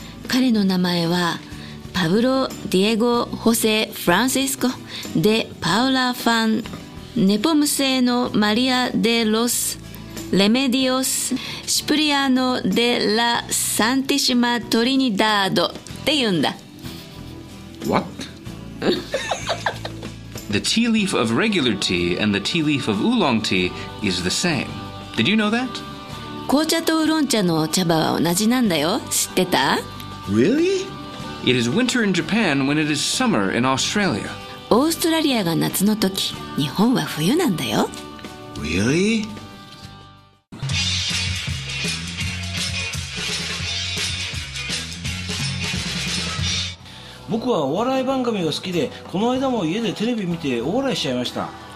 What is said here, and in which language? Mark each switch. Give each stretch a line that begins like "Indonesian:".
Japanese: 彼の名前はパブロ・ディエゴ・ホセ・フランシスコ・デ・パウラ・ファン・ネポムセーノ・マリア・デ・ロス・レメディオス・シプリアノ・デ・ラ・サンティシマ・トリニダードって言うんだ。
English: What? The tea leaf of regular tea and the tea leaf of oolong tea is the same. Did you know that?
Japanese: 紅茶とウーロン茶の茶葉は同じなんだよ。知ってた？
English: Really? It is winter in Japan when it is summer in Australia.
Japanese: オーストラリアが夏の時、日本は冬なんだよ。
English: Really?
Japanese: 僕はお笑い番組が好きで、この間も家でテレビ見て大笑いしちゃいました。